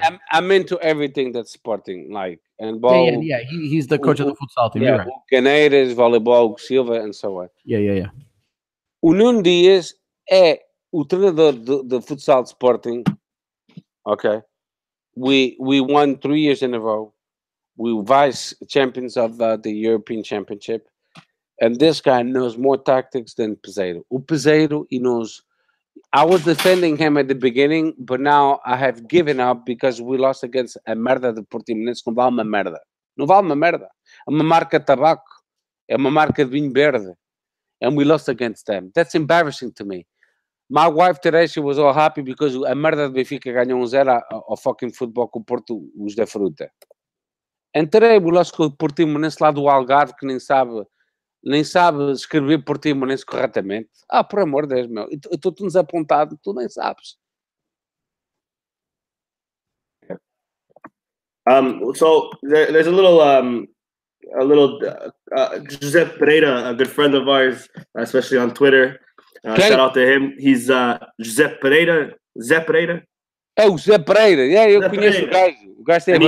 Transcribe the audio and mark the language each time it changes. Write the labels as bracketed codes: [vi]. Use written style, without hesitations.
[en] I'm into everything that's sporting, like, and ball. He's the coach of the futsal team. Yeah, Canadas, volleyball, Silva, and so on. Yeah. [pt] O Nuno Dias é o treinador do futsal sporting, okay? [en] We won 3 years in a row. We vice champions of the European Championship. And this guy knows more tactics than Pizarro. O Pizarro, he knows. I was defending him at the beginning, but now I have given up because we lost against [pt] a merda de Portimonense. Não vale uma merda. Não vale uma merda. É uma marca de tabaco. É uma marca de vinho verde. [en] And we lost against them. That's embarrassing to me. My wife today, she was all happy because [pt] a merda de Benfica ganhou 1-0 ao fucking futebol com o Porto, os da fruta. [en] And today, we lost [pt] com o Portimonense lá do Algarve, que nem sabe escrever Portimonense corretamente. Ah, por amor de Deus, meu. Estou tão desapontado, tu nem sabes. [en] So there's a little Giuseppe Pereira, a good friend of ours, especially on Twitter. Shout out to him. He's Giuseppe Pereira. Zé Pereira? [pt] Oh, Zé Pereira. Yeah, eu conheço o gajo.